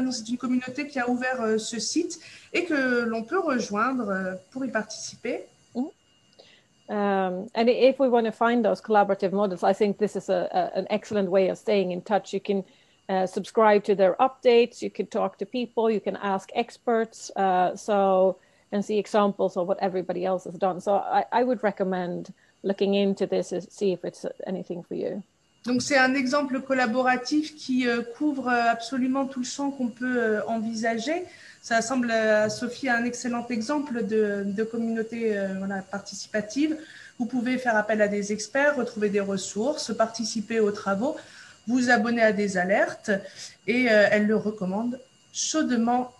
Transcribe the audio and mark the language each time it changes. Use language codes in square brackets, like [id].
[fr] C'est une communauté qui a ouvert ce site et que l'on peut rejoindre pour y participer. [en] And if we want to find those collaborative models, I think this is a, an excellent way of staying in touch. You can subscribe to their updates, you can talk to people, you can ask experts so and see examples of what everybody else has done. So I would recommend looking into this and see if it's anything for you. [fr] Donc c'est un exemple collaboratif qui couvre absolument tout le champ qu'on peut envisager. Ça semble à Sophie un excellent exemple de communauté voilà, participative. Vous pouvez faire appel à des experts, retrouver des ressources, participer aux travaux, vous abonner à des alertes et elle le recommande chaudement.